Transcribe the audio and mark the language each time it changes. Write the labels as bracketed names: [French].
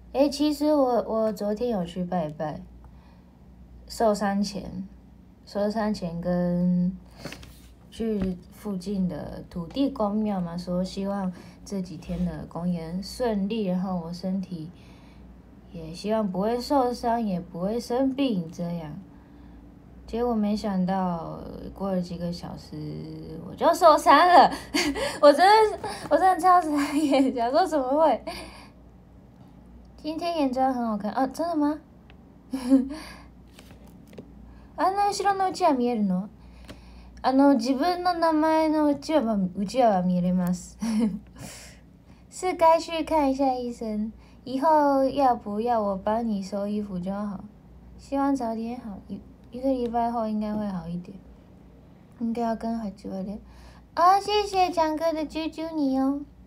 [Chinese] 其实我昨天有去拜拜，受伤前跟去附近的土地公庙嘛，说希望这几天的公演顺利，然后我身体也希望不会受伤，也不会生病这样。结果没想到过了几个小时我就受伤了，我真的超傻眼，想说怎么会？今天眼妆很好看啊，真的吗？ [Japanese] あんな後ろのうちは見えるの？あの自分の名前のうちは見れます。 [Chinese] 是该去看一下医生，以后要不要我帮你收衣服就好，希望早点好，一个礼拜后应该会好一点。应该要跟孩子玩的。啊，谢谢强哥的啾啾你哦。